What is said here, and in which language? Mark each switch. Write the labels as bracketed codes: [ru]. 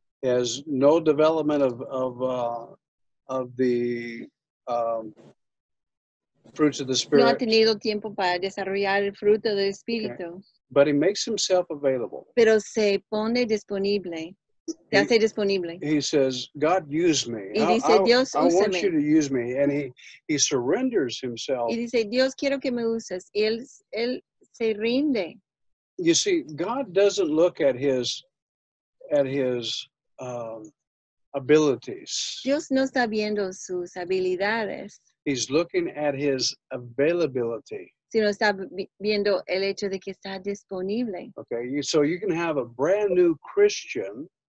[en] There's no development of the fruits of the Spirit. [es] No ha tenido tiempo para desarrollar el fruto del Espíritu. [en] Okay. But he makes himself available. [es] Pero se pone disponible. Se hace disponible. [en] He says, God, use me. [es] Y dice, Dios, úsame. [en] I want you to use me. And he surrenders himself. [es] Y dice, Dios, quiero que me uses. Y él se rinde. [en] You see, God doesn't look at his abilities. [es] Dios no está viendo sus habilidades. [en] He's looking at his availability. [es] Sino está viendo el hecho de que está disponible. [en] Okay, so you can have a brand new Christian.